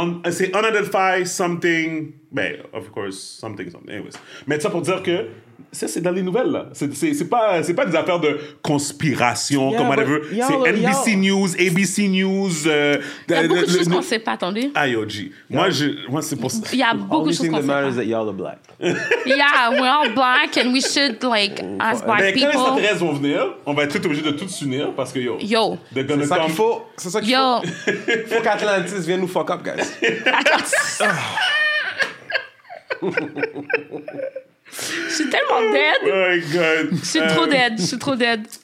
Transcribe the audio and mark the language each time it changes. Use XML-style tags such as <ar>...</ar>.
<en>C'est unidentified something. Ben, of course, something, something. Anyways.</en> <fr>Mais ça pour dire que ça, c'est dans les nouvelles, là. C'est pas des affaires de conspiration, comme whatever. C'est NBC News, ABC News. Il y a beaucoup de choses qu'on ne sait pas, attendez. IOG. Moi, c'est pour ça. Il y a beaucoup de choses qu'on ne sait pas.</fr> <en>That y'all are black. Yeah, we're all black and we should, like, as black people.</en> <fr>Quand les extraterrestres vont venir, on va être obligés de tous s'unir parce que, yo.</fr> <en>They're gonna come.</en> <fr>C'est ça qu'il faut. Faut qu'Atlantis vienne nous fuck up, guys. Je suis tellement dead.</fr> <en>Oh my God.</en> <fr>Je suis trop dead. Je suis trop dead.</fr>